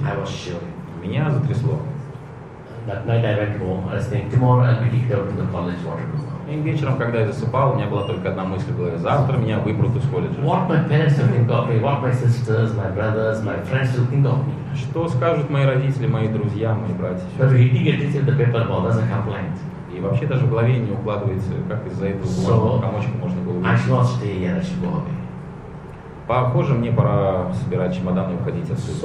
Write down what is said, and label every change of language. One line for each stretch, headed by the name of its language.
English: I was sure.
Russian: Меня затрясло.
English: That night I went home. I was thinking, tomorrow I'll be kicked out of the college. What will happen?
Russian: И вечером, когда я засыпал, у меня была только одна мысль в голове: завтра меня выпрут из колледжа.
English: What my parents will think of me? What my sisters, my brothers, my friends will think of me?
Russian: Что скажут мои родители, мои друзья, мои братья?
English: But he didn't get the paper ball. That's a complaint.
Russian: И вообще даже в голове не укладывается, как из-за этого бумажного комочка можно было.
English: I should not stay here. I should go away.
Russian: Похоже, мне пора собирать чемодан и уходить отсюда.